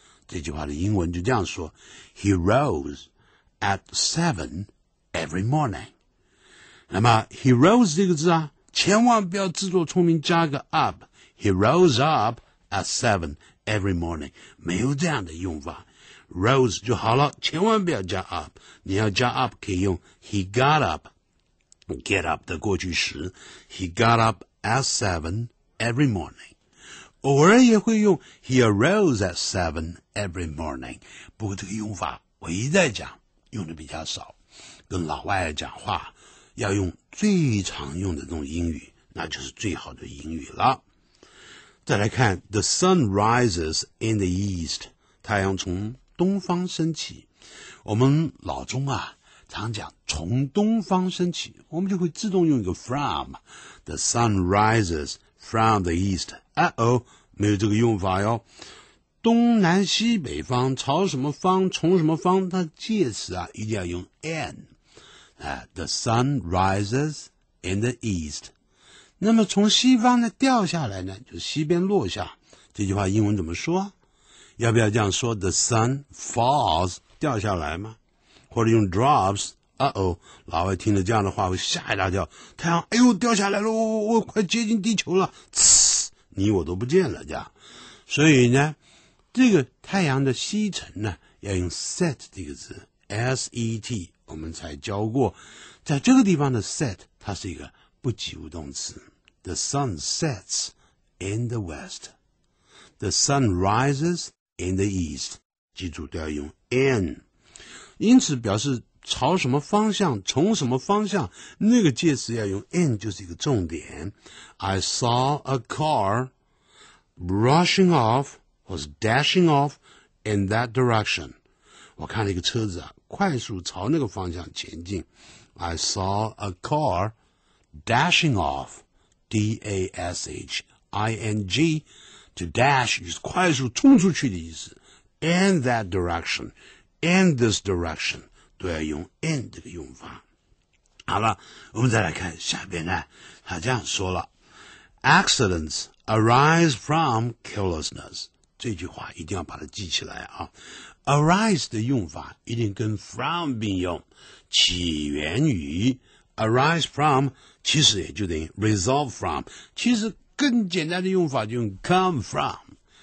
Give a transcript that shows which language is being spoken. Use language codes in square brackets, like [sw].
[zh] 这句话的英文就这样说， [en] He rose at 7 every morning。 [zh] 那么 He rose 这个字啊千万不要自作聪明加个 up， [en] He rose up at 7 every morning. 没有这样的用法。 [zh] Rose 就好了，千万不要加 up。你要加 up 可以用 [en] he got up, [zh] get up 的过去时。 [en] He got up at 7 every morning。 [zh] 偶尔也会用 [en] he arose at 7 every morning。 [zh] 不过这个用法我一再讲用的比较少。跟老外讲话要用最常用的这种英语，那就是最好的英语了。再来看 [en] The sun rises in the east， [zh] 太阳从东方升起。我们老中啊常讲从东方升起，我们就会自动用一个 from。 [en] The sun rises from the east， [zh] 没有这个用法哟。东南西北方，朝什么方，从什么方，它介词啊一定要用 an。 [en] The sun rises in the east。 [zh] 那么从西方呢掉下来呢，就西边落下，这句话英文怎么说？要不要这样说 [en] The sun falls [zh] 掉下来吗？或者用 drops， 老外听了这样的话会吓一大跳，太阳掉下来了，我快接近地球了，你我都不见了这样。所以呢这个太阳的西沉呢要用 set 这个字， S-E-T，我们才教过，在这个地方的 set 它是一个不及物动词。 [en] The sun sets in the west， The sun rises in the east， [zh] 记住都要用 in， 因此表示朝什么方向，从什么方向，那个介词要用 in， 就是一个重点。 [en] I saw a car rushing off， was dashing off in that direction， [zh] 我看了一个车子啊快速朝那个方向前进。 [en] I saw a car dashing off, D-A-S-H-I-N-G, to dash [zh] 就是快速冲出去的意思。 [en] In that direction, in this direction [zh] 都要用 [en] in [zh] 这个用法。好了，我们再来看下边呢，他这样说了， [en] Accidents arise from carelessness， [zh] 这句话一定要把它记起来啊。 Arise 的用法一定跟 from 并用，起源于 arise from， 其实也就等于 result from， 其实更简单的用法就用 come from。